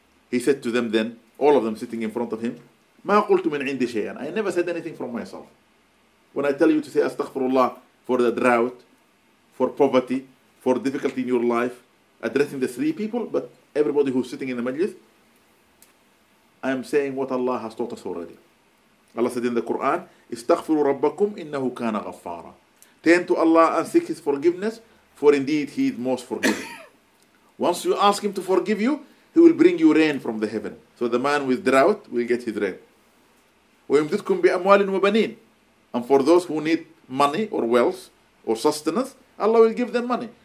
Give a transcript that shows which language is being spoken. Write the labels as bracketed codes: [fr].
[en] He said to them then, all of them sitting in front of him, [ar] ما قلت من عندي شيئا. [en] I never said anything from myself. When I tell you to say astaghfirullah for the drought, for poverty, for difficulty in your life, addressing the three people, but everybody who's sitting in the majlis, I am saying what Allah has taught us already. Allah said in the Quran, [ar] استغفروا ربكم إنه كان غفارا. [en] Turn to Allah and seek His forgiveness, for indeed He is most forgiving. Once you ask Him to forgive you, He will bring you rain from the heaven. So the man with drought will get his rain. [ar] ويمددكم بأموال وبنين. [en] And for those who need money or wealth or sustenance, Allah will give them money.